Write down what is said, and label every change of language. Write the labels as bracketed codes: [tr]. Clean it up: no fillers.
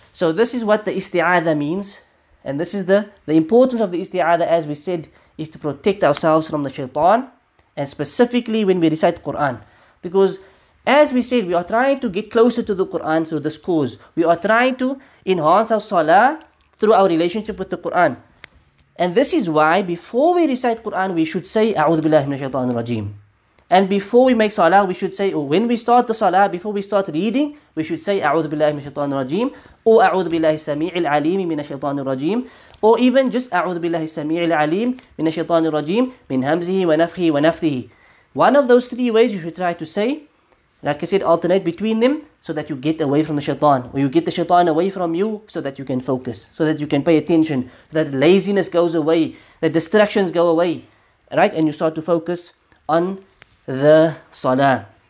[en] So this is what the isti'adha means. And this is the importance of the isti'adha, as we said, is to protect ourselves from the shaitan. And specifically when we recite Quran. Because as we said, we are trying to get closer to the Quran through this cause. We are trying to enhance our salah through our relationship with the Quran. And this is why before we recite Quran, we should say, [ar] أعوذ بالله من الشيطان الرجيم. [en] And before we make salah, we should say, or when we start the salah, before we start reading, we should say, [ar] أعوذ بالله من الشيطان الرجيم, [en] or [ar] أعوذ بالله السميع العليم من الشيطان الرجيم, [en] or even just [ar] أعوذ بالله السميع العليم من الشيطان الرجيم من همزه ونفخه ونفثه. [en] One of those three ways you should try to say, like I said, alternate between them so that you get away from the shaitan, or you get the shaitan away from you so that you can focus, so that you can pay attention, so that laziness goes away, that distractions go away, right? And you start to focus on the salah.